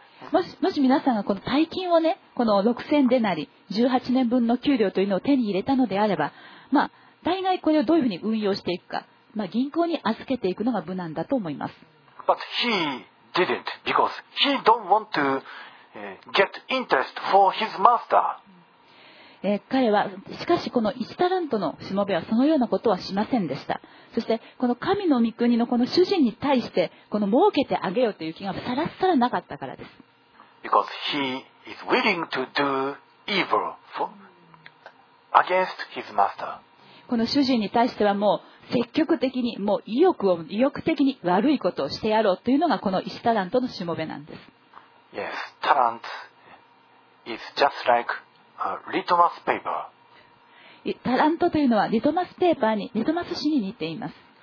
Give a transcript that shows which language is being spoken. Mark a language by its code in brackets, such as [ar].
[ja] もし皆さんがこの大金をね、この6000デナリ、18年分の給料というのを手に入れたのであれば、まあ大概これをどういうふうに運用していくか、まあ、銀行に預けていくのが無難だと思います。 [en] But he didn't because he don't want to get interest for his master. [ja] 彼は、しかしこの1タラントのしもべはそのようなことはしませんでした。そしてこの神の御国のこの主人に対してこの儲けてあげようという気がさらさらなかったからです。 [en] Because he is willing to do evil against his master. [ja] この主人に対してはもう積極的に、もう意欲的に悪いことをしてやろうというのがこの1タラントのしもべなんです。 [en] Yes, talent is just like a litmus paper. [ja] タラントというのはリトマスペーパーに、リトマス紙に似ています。